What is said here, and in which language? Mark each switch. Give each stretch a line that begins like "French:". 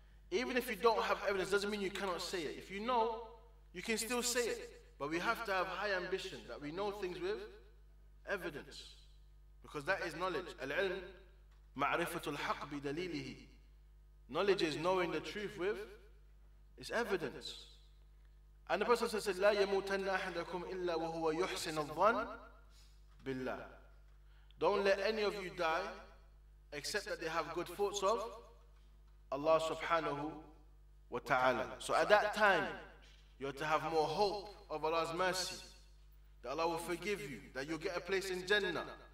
English: Even if you don't have evidence, doesn't mean you cannot say it. If you know, you can still say it. But we have to have high ambition, that we know things with evidence. Because that is knowledge.
Arabic: Al-ilm, ma'rifatu al-haq bi dalilihi.
English: Knowledge is knowing the truth with its evidence. And the Prophet said,
Arabic: لا يموتن أحدكم إلا وهو يحسن الظن بالله.
English: Don't let any of you die except that they have good thoughts of Allah subhanahu wa ta'ala. So at that time, you have to have more hope of Allah's mercy, that Allah will forgive you, that you'll get a place in Jannah.